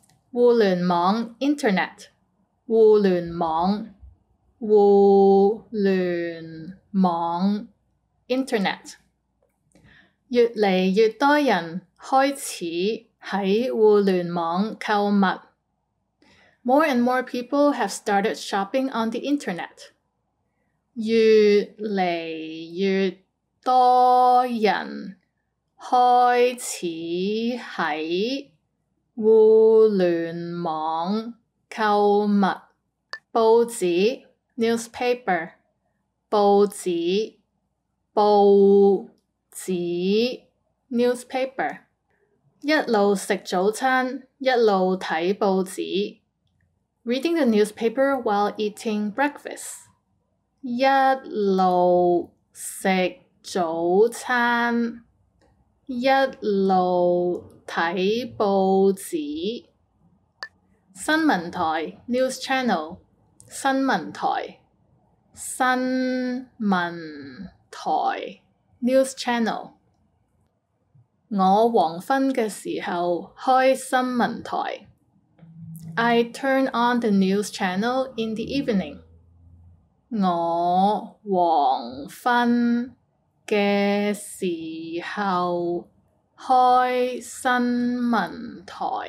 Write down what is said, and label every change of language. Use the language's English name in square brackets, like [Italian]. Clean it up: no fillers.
[Cantonese] 互联网 internet, 互联网，互联网 internet。越嚟越多人开始喺互联网购物。 [English] More and more people have started shopping on the internet. [Cantonese] 越嚟越多人开始喺互联网购物。报纸 newspaper, 报纸，报纸 newspaper。一路食早餐，一路睇报纸。 [English] Reading the newspaper while eating breakfast. [Cantonese] 一路食早餐，一路睇报纸。新闻台 news channel, 新闻台，新闻台 news channel。我黄昏嘅时候开新闻台。 [English] I turn on the news channel in the evening. [Cantonese] 我黄昏嘅时候开新闻台。